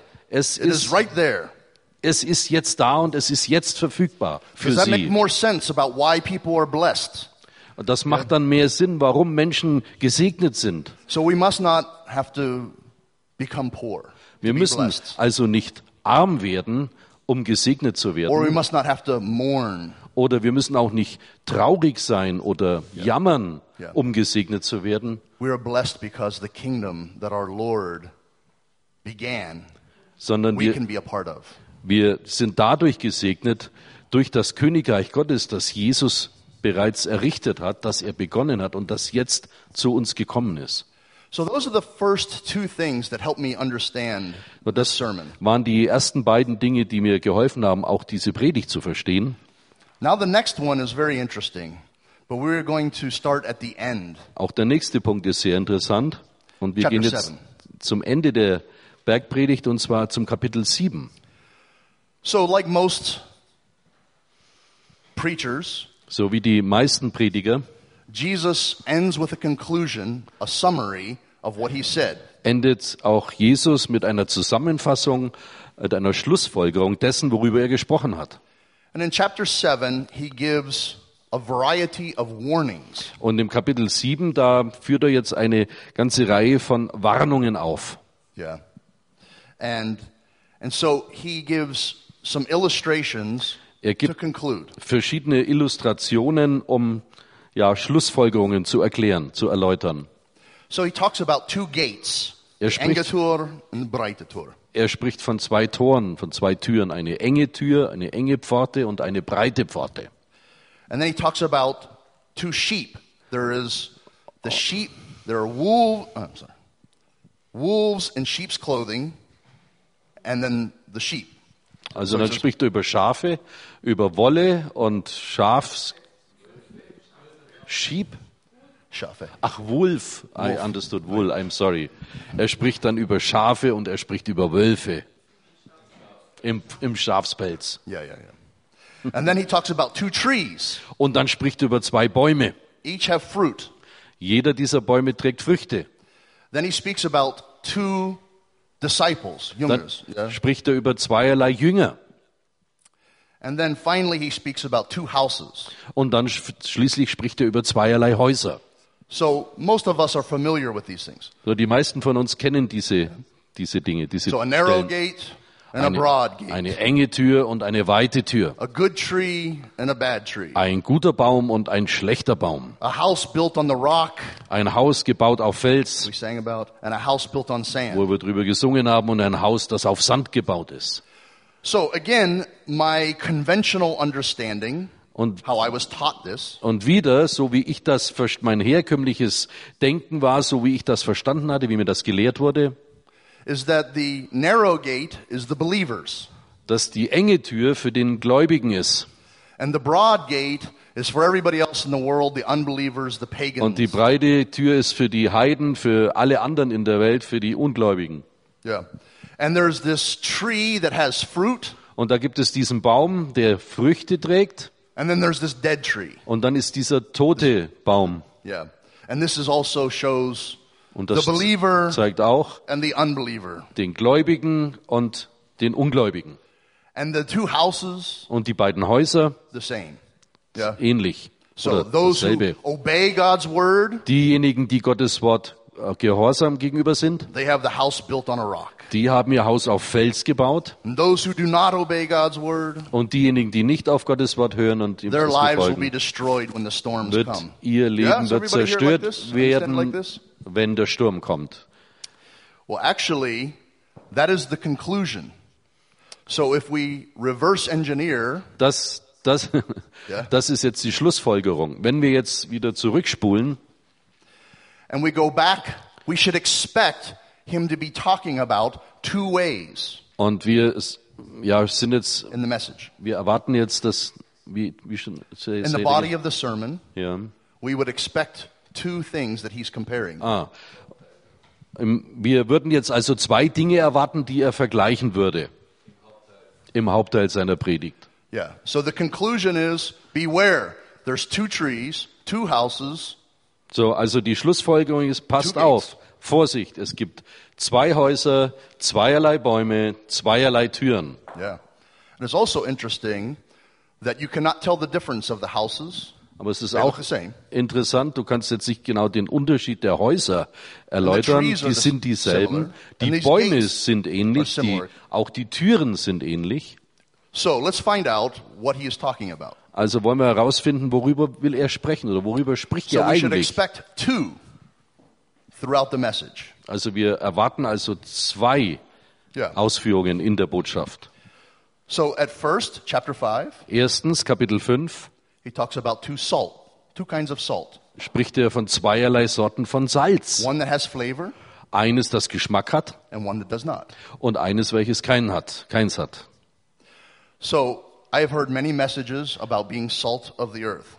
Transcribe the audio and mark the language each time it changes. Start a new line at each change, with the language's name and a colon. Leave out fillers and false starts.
German: Es ist jetzt da und es ist jetzt verfügbar für sie.
English: Does that make more sense about why people are blessed?
German: Das macht dann mehr Sinn, warum Menschen gesegnet sind.
English: So we must not have to become poor.
German: Wir müssen also nicht arm werden, um gesegnet zu werden.
English: Or we must not have to mourn.
German: Oder wir müssen auch nicht traurig sein oder jammern, um gesegnet zu werden.
English: We are blessed because the kingdom that our Lord began,
German: sondern
English: we can be a part of.
German: Wir sind dadurch gesegnet, durch das Königreich Gottes, das Jesus bereits errichtet hat, das er begonnen hat und das jetzt zu uns gekommen ist.
English: So those are the first two things that helped me understand the sermon.
German: Das waren die ersten beiden Dinge, die mir geholfen haben, auch diese Predigt zu verstehen.
English: Now the next one is very interesting, but we're going to start at the end.
German: Auch der nächste Punkt ist sehr interessant und wir gehen jetzt zum Ende der Bergpredigt und zwar zum Kapitel 7.
English: So like most preachers,
German: so wie die meisten Prediger,
English: Jesus ends with a conclusion, a summary of what he said.
German: Endet auch Jesus mit einer Zusammenfassung, mit einer Schlussfolgerung dessen, worüber er gesprochen hat.
English: And in chapter 7 he gives a variety of warnings.
German: Und im Kapitel 7 da führt er jetzt eine ganze Reihe von Warnungen auf. Yeah.
English: And so he gives some illustrations to conclude.
German: Er gibt verschiedene Illustrationen, um Schlussfolgerungen zu erklären, zu erläutern.
English: So he talks about two gates,
German: Engetur und breite Tür. Er spricht von zwei Toren, von zwei Türen, eine enge Tür, eine enge Pforte und eine breite Pforte.
English: And then he talks about two sheep. There is the sheep, there are wolves, wolves in sheep's clothing and then the sheep.
German: Also dann spricht er über Schafe, über Wolle und Wolf. Er spricht dann über Schafe und er spricht über Wölfe im Schafspelz.
English: And then he talks about two trees.
German: Und dann spricht er über zwei Bäume.
English: Each have fruit.
German: Jeder dieser Bäume trägt Früchte.
English: Then he speaks about two disciples,
German: Jüngers. Dann spricht er über zweierlei Jünger.
English: And then finally he speaks about two houses.
German: Und dann schließlich spricht er über zweierlei Häuser.
English: So most of us are familiar with these things.
German: So die meisten von uns kennen diese Dinge, diese Stellen.
English: So a narrow gate and a broad gate.
German: Eine enge Tür und eine weite Tür.
English: A good tree and a bad tree.
German: Ein guter Baum und ein schlechter Baum.
English: A house built on the rock.
German: Ein Haus gebaut auf Fels.
English: We sang about, and a house built on sand.
German: Wo wir drüber gesungen haben und ein Haus, das auf Sand gebaut ist.
English: So again, my conventional understanding,
German: und,
English: how I was taught this.
German: Und wieder, so wie ich das mein herkömmliches Denken war, so wie ich das verstanden hatte, wie mir das gelehrt wurde,
English: is that the narrow gate is the believers.
German: Dass die enge Tür für den Gläubigen ist.
English: And the broad gate is for everybody else in the world, the unbelievers, the pagans.
German: Und die breite Tür ist für die Heiden, für alle anderen in der Welt, für die Ungläubigen.
English: Yeah. And there's this tree that has fruit.
German: Und da gibt es diesen Baum, der Früchte trägt.
English: And then there's this dead tree.
German: Und dann ist dieser tote Baum.
English: Yeah. And this is also shows the believer
German: zeigt auch
English: and the unbeliever.
German: Den Gläubigen und den Ungläubigen.
English: And the two houses,
German: und die beiden Häuser,
English: the same.
German: Yeah. Ähnlich.
English: So those who obey God's word,
German: diejenigen, die Gottes Wort gehorsam gegenüber sind,
English: they have the house built on a rock.
German: Die haben ihr Haus auf Fels gebaut.
English: And those who do not obey God's word,
German: und diejenigen, die nicht auf Gottes Wort hören und ihm befolgen,
English: will be destroyed when the storms
German: wird
English: come.
German: Ihr Leben wird zerstört werden, wenn der Sturm kommt.
English: Well, actually, that is the conclusion. So if we reverse engineer,
German: das das ist jetzt die Schlussfolgerung. Wenn wir jetzt wieder zurückspulen,
English: and we go back, we should expect him to be talking about two ways.
German: Und wir sind jetzt
English: in the message.
German: Wir erwarten jetzt, dass
English: we should say in the body of the sermon, yeah, we would expect two things that he's comparing. Ah.
German: Wir würden jetzt also zwei Dinge erwarten, die er vergleichen würde im Hauptteil seiner Predigt.
English: Yeah. So the conclusion is, beware. There's two trees, two houses.
German: So, also die Schlussfolgerung ist, passt auf, Vorsicht, es gibt zwei Häuser, zweierlei Bäume, zweierlei Türen. Yeah.
English: And it's also interesting that you cannot tell the difference of the houses.
German: Aber es ist auch interessant, du kannst jetzt nicht genau den Unterschied der Häuser erläutern, die sind dieselben, die Bäume sind ähnlich, auch die Türen sind ähnlich.
English: So, let's find out what he is talking about.
German: Also wollen wir herausfinden, worüber will er sprechen oder worüber spricht er eigentlich?
English: So we should expect two throughout the message.
German: Also wir erwarten also zwei Ausführungen in der Botschaft.
English: So at first, chapter 5.
German: Erstens, Kapitel 5.
English: He talks about two salt, two kinds of salt.
German: Spricht er von zweierlei Sorten von Salz.
English: One that has flavor.
German: Eines, das Geschmack hat.
English: And one that does not.
German: Und eines, welches keins hat.
English: So, I have heard many messages about being salt of the earth.